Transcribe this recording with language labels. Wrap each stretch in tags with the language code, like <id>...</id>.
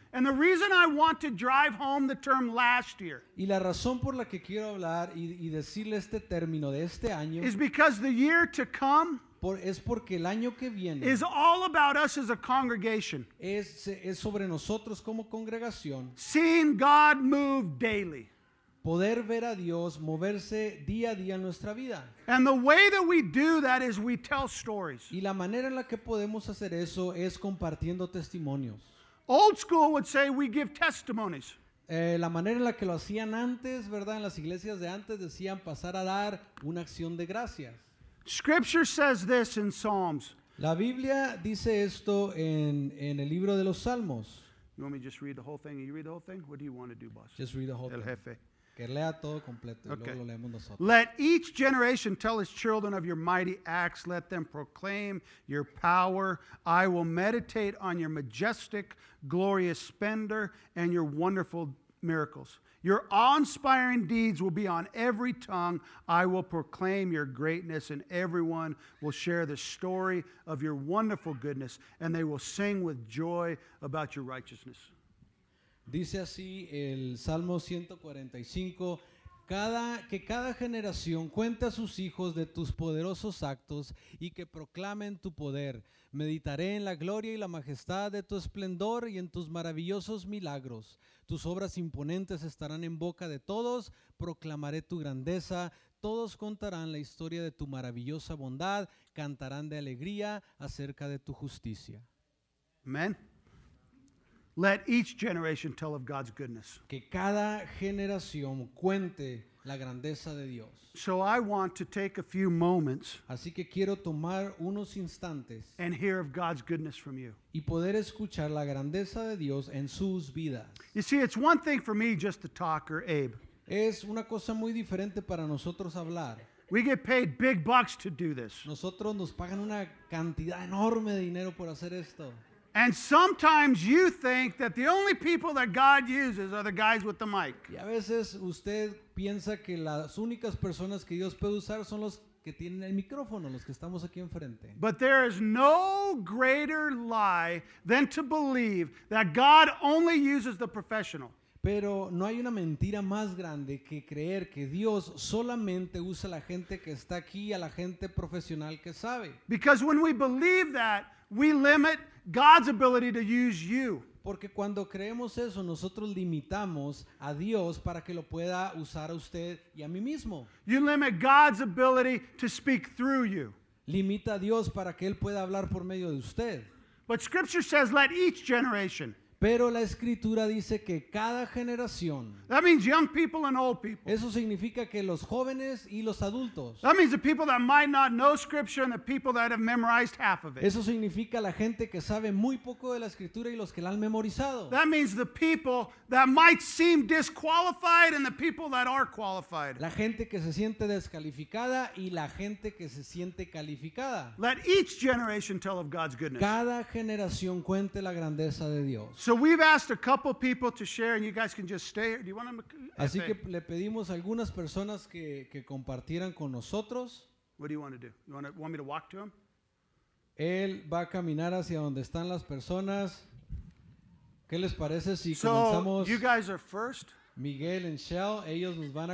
<en>And the reason I want to drive home the term last year.</en> <es>Y la razón por la que quiero hablar y decirle este término de este año.</es> <en>Is because the year to come.</en> <es>Es porque el año que viene.</es> <en>Is all about us as a congregation.</en> <es>Es sobre nosotros como congregación.</es> <en>Seeing God move daily.</en> <es>Poder ver a Dios moverse día a día en nuestra vida.</es> <en>And the way that we do that is we tell stories.</en> <es>Y la manera en la que podemos hacer eso es compartiendo testimonios.</es> <en>Old school would say we give testimonies.</en> <es>La manera en la que lo hacían antes, ¿verdad? En las iglesias de antes decían pasar a dar una acción de gracias.</es> <en>Scripture says this in Psalms.</en> <es>La Biblia dice esto en el libro de los Salmos.</es> <en>You want me to just read the whole thing? You read the whole thing? What do you want to do, boss? Just read the whole thing.</en> <es>El jefe. Que lea todo completo, okay. Y luego lo leemos nosotros.</es> <en>Let each generation tell its children of your mighty acts. Let them proclaim your power. I will meditate on your majestic, glorious splendor and your wonderful miracles. Your awe-inspiring deeds will be on every tongue. I will proclaim your greatness and everyone will share the story of your wonderful goodness and they will sing with joy about your righteousness.</en> <es>Dice así el Salmo 145, que cada generación cuente a sus hijos de tus poderosos actos y que proclamen tu poder. Meditaré en la gloria y la majestad de tu esplendor y en tus maravillosos milagros. Tus obras imponentes estarán en boca de todos, proclamaré tu grandeza. Todos contarán la historia de tu maravillosa bondad, cantarán de alegría acerca de tu justicia.</es> <en>Amén. Let each generation tell of God's goodness.</en> <es>Que cada generación cuente la grandeza de Dios.</es> <en>So I want to take a few moments.</en> <es>Así que quiero tomar unos instantes.</es> <en>And hear of God's goodness from you.</en> <es>Y poder escuchar la grandeza de Dios en sus vidas.</es> <en>You see, it's one thing for me just to talk or Abe.</en> <es>Es una cosa muy diferente para nosotros hablar.</es> <en>We get paid big bucks to do this.</en> <es>Nosotros nos pagan una cantidad enorme de dinero por hacer esto.</es> <en>And sometimes you think that the only people that God uses are the guys with the mic.</en> <es>Y a veces usted piensa que las únicas personas que Dios puede usar son los que tienen el micrófono, los que estamos aquí enfrente.</es> <en>But there is no greater lie than to believe that God only uses the professional.</en> <es>Pero no hay una mentira más grande que creer que Dios solamente usa a la gente que está aquí, a la gente profesional que sabe.</es> <en>Because when we believe that, we limit God's ability to use you.</en> <es>Porque cuando creemos eso, nosotros limitamos a Dios para que lo pueda usar a usted y a mí mismo.</es> <en>You limit God's ability to speak through you.</en> <es>Limita a Dios para que él pueda hablar por medio de usted.</es> <en>But Scripture says, let each generation.</en> <es>Pero la escritura dice que cada generación.</es> <en>That means young people and old people.</en> <es>Eso significa que los jóvenes y los adultos.</es> <en>That means the people that might not know Scripture and the people that have memorized half of it.</en> <es>Eso significa la gente que sabe muy poco de la escritura y los que la han memorizado.</es> <en>That means the people that might seem disqualified and the people that are qualified.</en> <es>La gente que se siente descalificada y la gente que se siente calificada.</es> <en>Let each generation tell of God's goodness.</en> <es>Cada generación cuente la grandeza de Dios.</es> <en>So we've asked a couple people to share, and you guys can just stay. Do you want to?</en> <es>Así que le pedimos algunas personas que compartieran con nosotros.</es> <en>What do you want to do? You want me to walk to him?</en> <es>Él va a caminar hacia donde están las personas. ¿Qué les parece si comenzamos?</es> <en>So you guys are first.</en> <es>Miguel and Shell, ellos nos van a.</es>